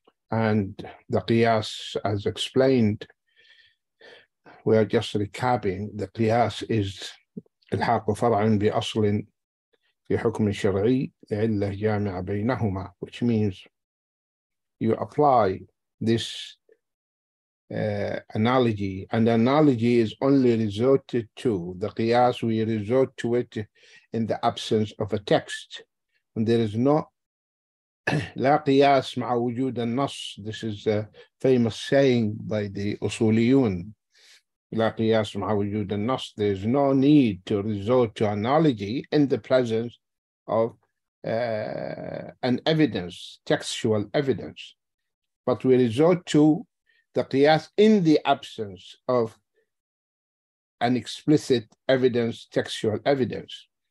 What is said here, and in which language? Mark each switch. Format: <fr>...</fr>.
<en>And the qiyas, as explained, we are just recapping, the qiyas is</en> <ar>الحاق فرع بأصل في حكم شرعي لعلة جامعة بينهما,</ar> <en>which means you apply this analogy, and the analogy is only resorted to, the qiyas, we resort to it in the absence of a text. And there is no</en> <ar>لا قياس مع وجود النص.</ar> <en>This is a famous saying by the أصوليون.</en> <ar>لا قياس مع وجود النص.</ar> <en>There is no need to resort to analogy in the presence of an evidence, textual evidence. But we resort to the qiyas in the absence of an explicit evidence, textual evidence.</en>